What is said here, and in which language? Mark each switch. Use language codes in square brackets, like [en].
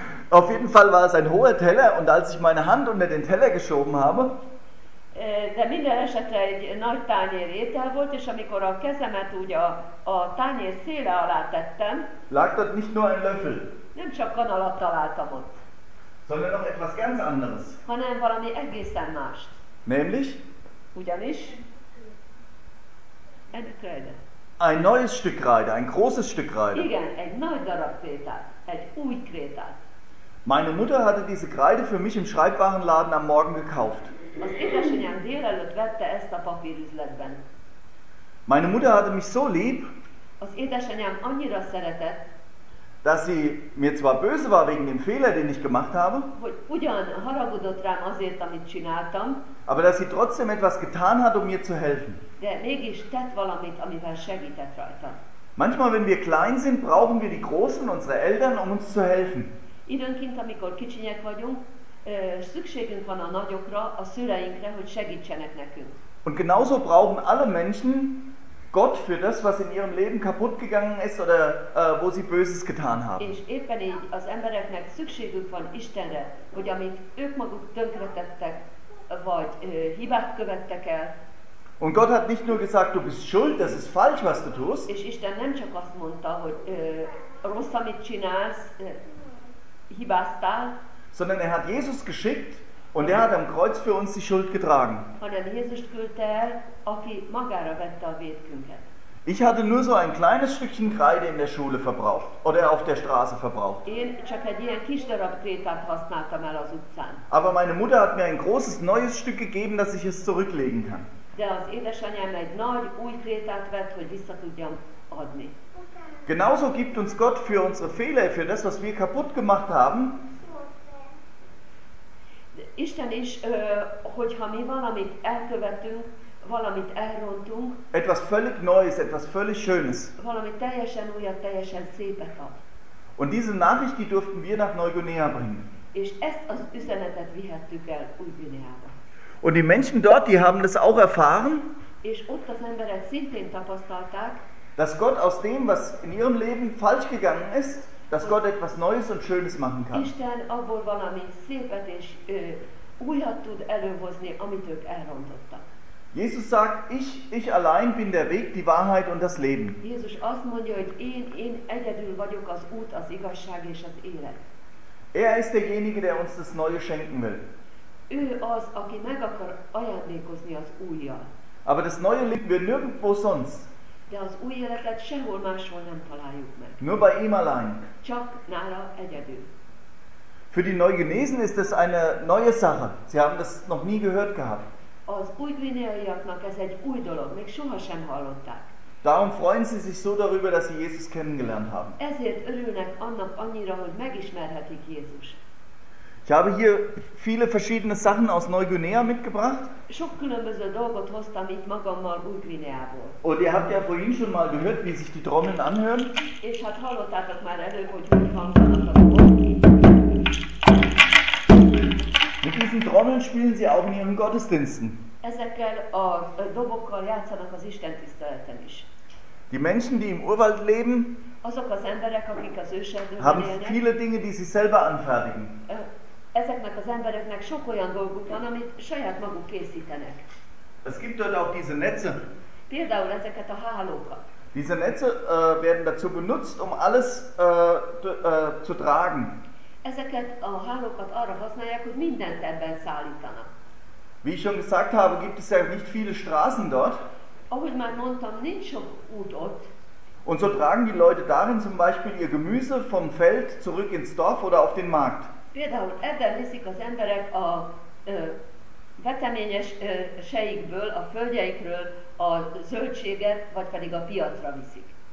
[de] Auf jeden Fall war es ein hoher Teller und als ich meine Hand unter den Teller geschoben habe, [hu] de minden esetre egy nagy tányér étel volt, és amikor a kezemet úgy a tányér széle alá tettem, [de] lag dort nicht nur ein Löffel, [hu] nem csak kanalat találtam ott, [de] sondern noch etwas ganz anderes, [hu] hanem valami egészen mást. [de] Nämlich? [hu] Ugyanis? [de] Ein Kreide. Ein neues Stück Kreide, ein großes Stück Kreide. [hu] Igen, egy nagy darab krétát, egy új krétát. [de] Meine Mutter hatte diese Kreide für mich im Schreibwarenladen am Morgen gekauft. [hu] Az édesanyám délelőtt vette ezt a papírüzletben. [de] Meine Mutter hatte mich so lieb, [hu] az édesanyám annyira szeretett, [de] dass sie mir zwar böse war wegen dem Fehler, den ich gemacht habe, [hu] hogy ugyan haragudott rám azért, amit csináltam, [de] aber dass sie trotzdem etwas getan hat, um mir zu helfen. [hu] De mégis tett valamit, amivel segített rajta. [de] Manchmal, wenn wir klein sind, brauchen wir die Großen, unsere Eltern, um uns zu helfen. [hu] Időnként, amikor kicsinyek vagyunk, szükségünk van a nagyokra, a szüleinkre, hogy segítsenek nekünk. [de] Und genauso brauchen alle Menschen Gott für das, was in ihrem Leben kaputt gegangen ist oder wo sie Böses getan haben. [hu] És éppen így az embereknek szükségük van Istenre, hogy amit ők maguk tönkretettek, vagy hibát követtek el. [de] Und Gott hat nicht nur gesagt, du bist schuld, das ist falsch, was du tust. [hu] És Isten nem csak azt mondta, hogy rossz, amit csinálsz, hibáztál. [de] Sondern er hat Jesus geschickt und er hat am Kreuz für uns die Schuld getragen. [hu] Hanem Jézust küldte el, aki magára vette a vétkünket. [de] Ich hatte nur so ein kleines Stückchen Kreide in der Schule verbraucht oder auf der Straße verbraucht. [hu] Én csak egy ilyen kis darab krétát használtam el az utcán. [de] Aber meine Mutter hat mir ein großes neues Stück gegeben, dass ich es zurücklegen kann. [hu] De az édesanyám egy nagy új krétát vett, hogy vissza tudjam adni. [de] Genauso gibt uns Gott für unsere Fehler, für das, was wir kaputt gemacht haben. [hu] Isten is, hogyha mi valamit elkövetünk, valamit elrontunk, [de] etwas völlig Neues, etwas völlig Schönes, [hu] valami teljesen újat, teljesen szépet ad. [de] Und diese Nachricht, die durften wir nach Neuguinea bringen. [hu] És ezt az üzenetet vihettük el Új-Guineába. [de] Und die Menschen dort, die haben das auch erfahren, [hu] és ott az emberek szintén tapasztalták, [de] dass Gott aus dem, was in ihrem Leben falsch gegangen ist, dass Gott etwas Neues und Schönes machen kann. [hu] Isten abból valami szépet és újat tud előhozni, amit ők elrontottak. [de] Jesus sagt, ich allein bin der Weg, die Wahrheit und das Leben. [hu] Jézus azt mondja, hogy én egyedül vagyok az út, az igazság és az élet. [de] Er ist derjenige, der uns das Neue schenken will. [hu] Ő az, aki meg akar ajándékozni az újjal. [de] Aber das Neue liegt wir nirgendwo sonst. [hu] De az új életet sehol máshol nem találjuk meg. [de] Nur bei ihm allein. [hu] Csak nála egyedül. [de] Für die Neugenesen ist das eine neue Sache. Sie haben das noch nie gehört gehabt. [hu] Az új-guineaiaknak ez egy új dolog, még sohasem hallották. [de] Darum freuen sie sich so darüber, dass sie Jesus kennengelernt haben. [hu] Ezért örülnek annak annyira, hogy megismerhetik Jézust. [de] Ich habe hier viele verschiedene Sachen aus Neuguinea mitgebracht. [hu] Sok különböző dolgot hoztam itt magammal Új-Guineából. [de] Und ihr habt ja vorhin schon mal gehört, wie sich die Trommeln anhören. [hu] És hát hallottátok már előbb, hogy hangzanak a [de] Trommeln. Mit diesen Trommeln spielen sie auch in ihren Gottesdiensten. [hu] Ezekkel a dobokkal játszanak az istentiszteleten is. [de] Die Menschen, die im Urwald leben, [hu] azok az emberek, akik az ősendőben élnek, [de] haben viele Dinge, die sie selber anfertigen. [hu] Ezeknek az embereknek sok olyan dolguk van, amit saját maguk készítenek. [de] Es gibt dort auch diese Netze. [hu] Például ezeket a hálókat. [de] Diese Netze werden dazu benutzt, um alles zu tragen. [hu] Ezeket a hálókat arra használják, hogy mindent ebben szállítanak. [de] Wie ich schon gesagt habe, gibt es ja nicht viele Straßen dort. [hu] Ahogy már mondtam, nincs sok út ott. [de] Und so tragen die Leute darin zum Beispiel ihr Gemüse vom Feld zurück ins Dorf oder auf den Markt. [hu] Például ebben viszik az emberek a veteményes seikből, a földjeikről a zöldséget, vagy pedig a piacra viszik.